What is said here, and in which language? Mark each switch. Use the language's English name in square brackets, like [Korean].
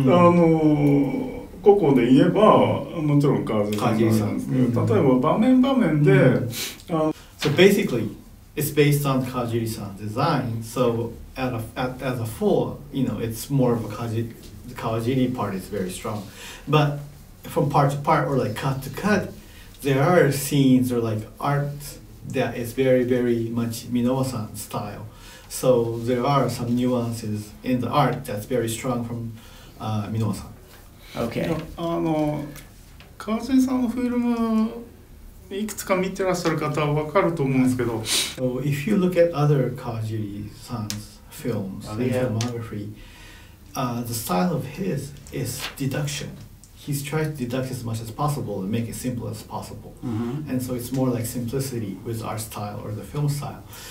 [Japanese] ここで言えばもちろんカズさんなんですけど、例えば場面場面で、 [English] So basically, it's based on Kawajiri-san's design. So as a full, you know, it's more of a Kawajiri part is very strong. But from part to part or like cut to cut, there are scenes or like art that is very very much Minowa-san's style. So there are some nuances in the art that's very strong from Minowa-san. Okay. [Japanese] あの川尻さんのフィルムいくつか見てらっしゃる方は分かると思うんですけど、 [English] so、If you look at other Kawajiri-san's films and filmography、the style of his is deduction. He's tried to deduct as much as possible and make it simple as possible、and so it's more like simplicity with art style or the film style.